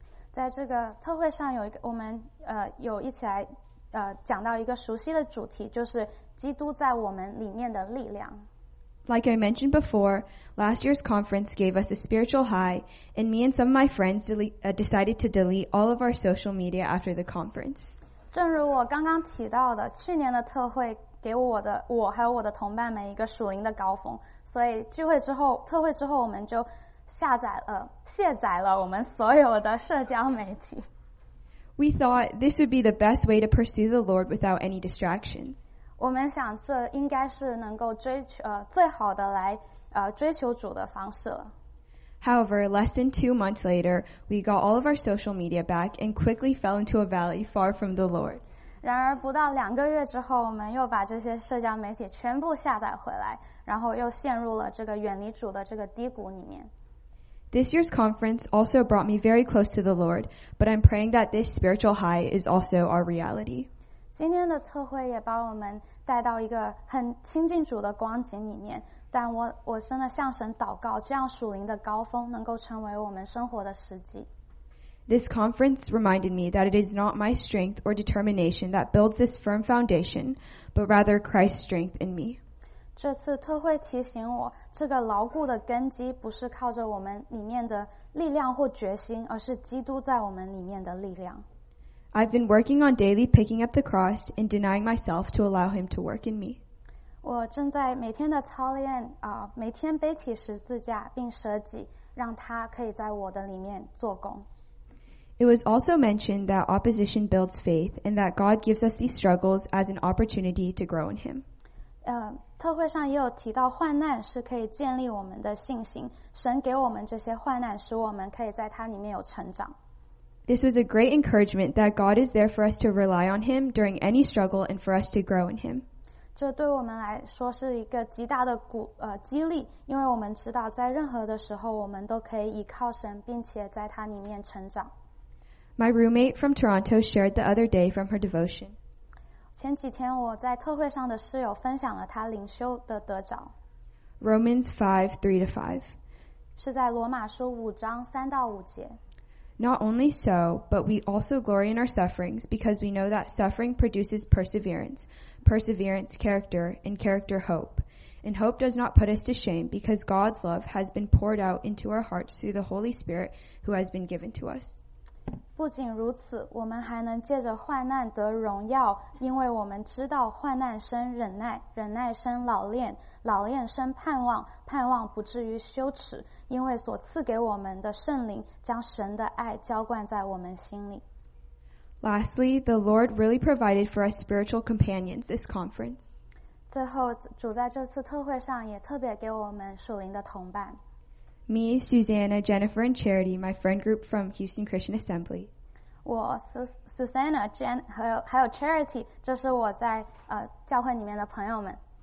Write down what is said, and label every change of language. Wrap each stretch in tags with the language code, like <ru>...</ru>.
<zh>在这个特会上有一个我们有一起来讲到一个熟悉的主题，就是基督在我们里面的力量。</zh> <en>Like I mentioned before, last year's conference gave us a spiritual high, and me and some of my friends decided to delete all of our social media after the conference.</en> <zh>正如我刚刚提到的，去年的特会给我还有我的同伴们一个属灵的高峰，所以特会之后我们就卸载了我们所有的社交媒体。</zh> <en>We thought this would be the best way to pursue the Lord without any distractions.</en> <zh>我们想这应该是能够最好的来追求主的方式了。</zh> <en>However, less than 2 months later, we got all of our social media back and quickly fell into a valley far from the Lord.</en> <zh>然而不到两个月之后，我们又把这些社交媒体全部下载回来，然后又陷入了这个远离主的这个低谷里面。</zh> <en>This year's conference also brought me very close to the Lord, but I'm praying that this spiritual high is also our reality.</en> <zh>今天的特会也把我们带到一个很亲近主的光景里面，但我真的向神祷告，这样属灵的高峰能够成为我们生活的实际。</zh> <en>This conference reminded me that it is not my strength or determination that builds this firm foundation, but rather Christ's strength in me.</en> <zh>这次特会提醒我，这个牢固的根基不是靠着我们里面的力量或决心，而是基督在我们里面的力量。</zh> <en>I've been working on daily picking up the cross and denying myself to allow him to work in me.</en> <zh>我正在每天的操练，每天背起十字架并舍己，让他可以在我的里面做工。</zh> <en>It was also mentioned that opposition builds faith and that God gives us these struggles as an opportunity to grow in him.</en> <zh>特会上也有提到患难是可以建立我们的信心，神给我们这些患难使我们可以在他里面有成长。</zh> <en>This was a great encouragement that God is there for us to rely on him during any struggle and for us to grow in him.</en> <zh>这对我们来说是一个极大的激励，因为我们知道在任何的时候我们都可以依靠神并且在他里面成长。</zh> <en>My roommate from Toronto shared the other day from her devotion.</en> <zh>前几天我在特会上的室友分享了他灵修的得着。</zh> <en>Romans 5:3-5.</en> <zh>是在罗马书5:3-5.</zh> <en>Not only so, but we also glory in our sufferings because we know that suffering produces perseverance, perseverance character, and character hope. And hope does not put us to shame because God's love has been poured out into our hearts through the Holy Spirit who has been given to us.</en> <zh>不仅如此，我们还能借着患难得荣耀，因为我们知道患难生忍耐，忍耐生老练，老练生盼望，盼望不至于羞耻，因为所赐给我们的圣灵将神的爱浇灌在我们心里。</zh> <en>Lastly, the Lord really provided for us spiritual companions this conference.</en> <zh>最后，主在这次特会上也特别给我们属灵的同伴。</zh> <en>Me, Susanna, Jennifer, and Charity, my friend group from Houston Christian Assembly.</en> <zh>我 Susanna, Jen, 还有 Charity, 这是我在教会里面的朋友们。</zh>